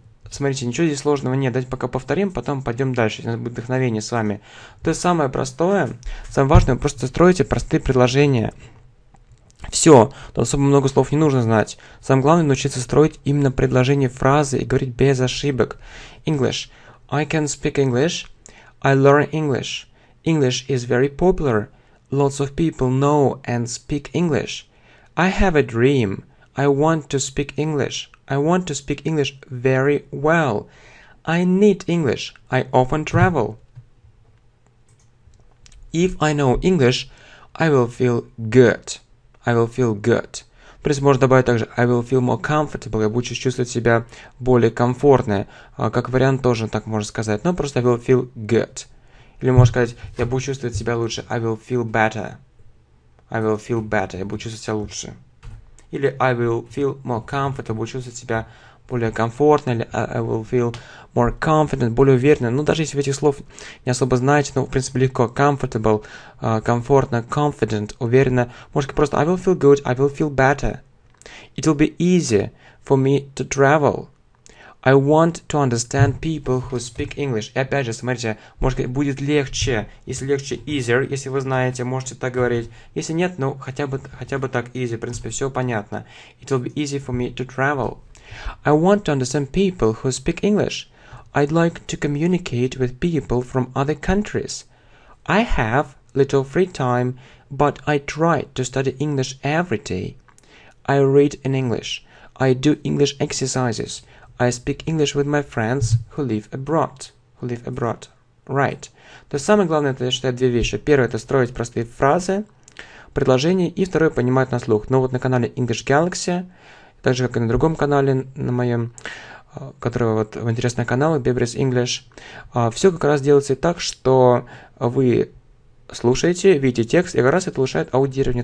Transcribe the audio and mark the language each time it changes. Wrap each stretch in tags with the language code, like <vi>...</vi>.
<ru>Смотрите, ничего здесь сложного нет. Давайте пока повторим, потом пойдем дальше. У нас будет вдохновение с вами. То есть самое простое, самое важное, вы просто строите простые предложения. Все, тут особо много слов не нужно знать. Самое главное, научиться строить именно предложения, фразы и говорить без ошибок.</ru> <en>English. I can speak English. I learn English. English is very popular. Lots of people know and speak English. I have a dream. I want to speak English. I want to speak English very well. I need English. I often travel. If I know English, I will feel good. I will feel good.</en> <ru>То есть можно добавить также</ru> <en>I will feel more comfortable,</en> <ru>я буду чувствовать себя более комфортно. Как вариант тоже так можно сказать, но просто</ru> <en>I will feel good.</en> <ru>Или можно сказать, я буду чувствовать себя лучше,</ru> <en>I will feel better.</en> <ru>I will feel better, я буду чувствовать себя лучше. Или</ru> <en>I will feel more comfortable,</en> <ru>буду чувствовать себя более комфортно, или</ru> <en>I will feel more confident,</en> <ru>более уверенно. Ну, даже если вы этих слов не особо знаете, ну, в принципе, легко. Comfortable, комфортно, confident, уверенно. Можете просто</ru> <en>I will feel good, I will feel better. It will be easy for me to travel. I want to understand people who speak English.</en> <ru>И опять же, смотрите, может быть, будет легче, если легче, easier, если вы знаете, можете так говорить. Если нет, ну, хотя бы так, easy, в принципе, все понятно.</ru> <en>It will be easy for me to travel. I want to understand people who speak English. I'd like to communicate with people from other countries. I have little free time, but I try to study English every day. I read in English. I do English exercises. I speak English with my friends who live abroad. Who live abroad. Right.</en> <ru>То есть самое главное, это, я считаю, две вещи. Первое, это строить простые фразы, предложения, и второе, понимать на слух. Но вот на канале English Galaxy, так же, как и на другом канале на моем, который вот в интересных каналах, Bebris English, все как раз делается так, что вы слушаете, видите текст, и как раз это улучшает аудирование.</ru>